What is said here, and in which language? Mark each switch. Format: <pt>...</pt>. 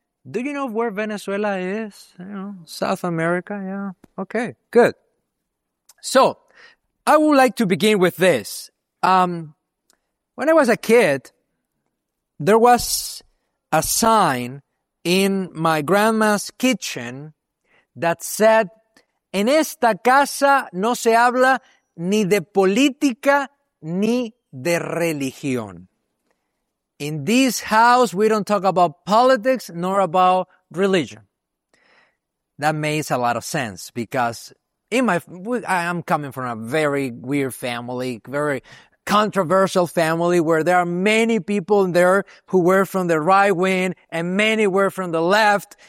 <en>Do you know where Venezuela is? You know, South America, yeah. Okay, good. So, I would like to begin with this. When I was a kid, there was a sign in my grandma's kitchen that said,</en> <es>En esta casa no se habla ni de política ni de religión.</es> <en>In this house, we don't talk about politics nor about religion. That makes a lot of sense because I'm coming from a very weird family, very controversial family where there are many people in there who were from the right wing and many were from the left.</en>